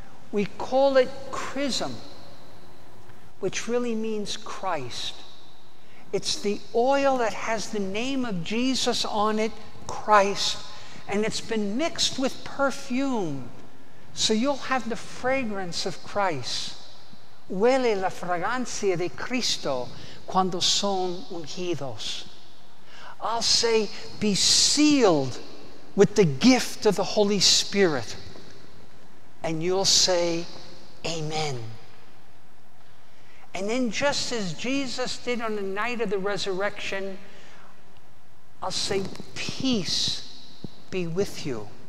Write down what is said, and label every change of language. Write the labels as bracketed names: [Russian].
[English] We call it chrism, which really means Christ. It's the oil that has the name of Jesus on it, Christ, and it's been mixed with perfume, so you'll have the fragrance of Christ. [Spanish] Huele la fragancia de Cristo cuando son ungidos. [English] I'll say, be sealed with the gift of the Holy Spirit. And you'll say, amen. And then just as Jesus did on the night of the resurrection, I'll say, peace be with you.